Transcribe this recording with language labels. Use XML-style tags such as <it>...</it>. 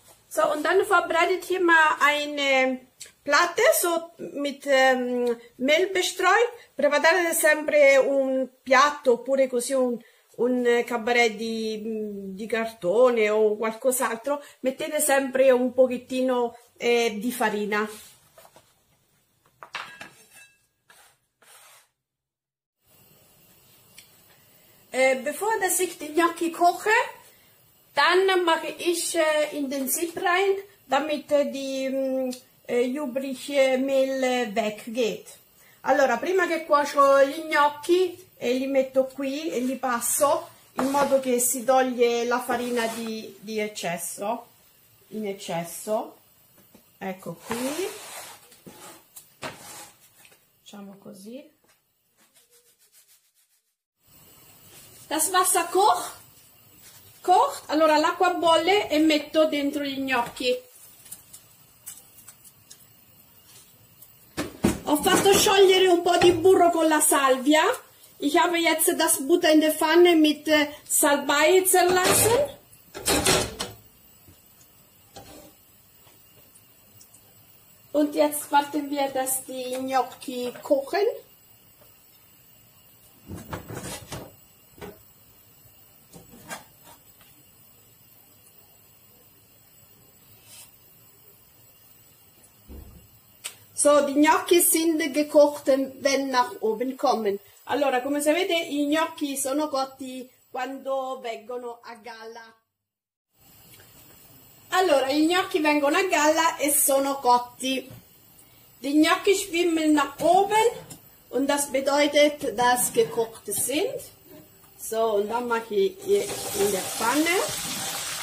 <de>So, und dann verbreitet hier mal eine Platte so mit Mehl bestreut.</de> <it>Preparate sempre un piatto oppure così un cabaret di cartone o qualcos'altro. Mettete sempre un pochettino di farina.</it> <de>Bevor dass ich die Gnocchi koche, dann mache ich in den Sieb rein, damit die übrige Mehl weggeht.</de> <it>Allora, prima che cuocio gli gnocchi, li metto qui e li passo in modo che si toglie la farina di eccesso. In eccesso. Ecco qui. Facciamo così.</it> <de>Das Wasser kocht.</de> <it>Allora l'acqua bolle e metto dentro gli gnocchi. Ho fatto sciogliere un po' di burro con la salvia.</it> <de>Ich habe jetzt das Butter in der Pfanne mit Salbei zerlassen. Und jetzt warten wir, dass die Gnocchi kochen. So, die gnocchi sind gekocht, wenn nach oben kommen.</de> <it>Allora, come sapete, i gnocchi sono cotti quando vengono a galla. Allora, i gnocchi vengono a galla e sono cotti.</it> <de>Die gnocchi schwimmen nach oben und das bedeutet, dass gekocht sind. So, und dann mache ich in der Pfanne.</de>